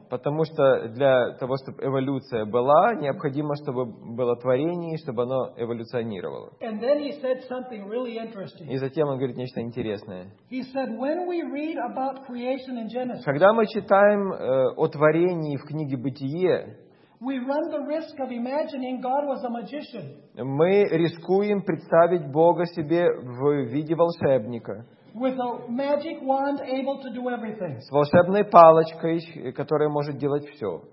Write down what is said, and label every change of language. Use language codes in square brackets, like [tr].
[ru] Потому что для того, чтобы эволюция была, необходимо, чтобы было творение, чтобы оно эволюционировало. [en] And then he said something really interesting. [ru] И затем он говорит нечто интересное. [en] He said, when we read about creation in Genesis, [ru] когда мы читаем о творении в книге Бытие, [en] we run the risk of imagining God was a magician. [ru] Мы рискуем представить Бога себе в виде волшебника. [en] With a magic wand able to do everything. [ru] С волшебной палочкой, которая может делать все.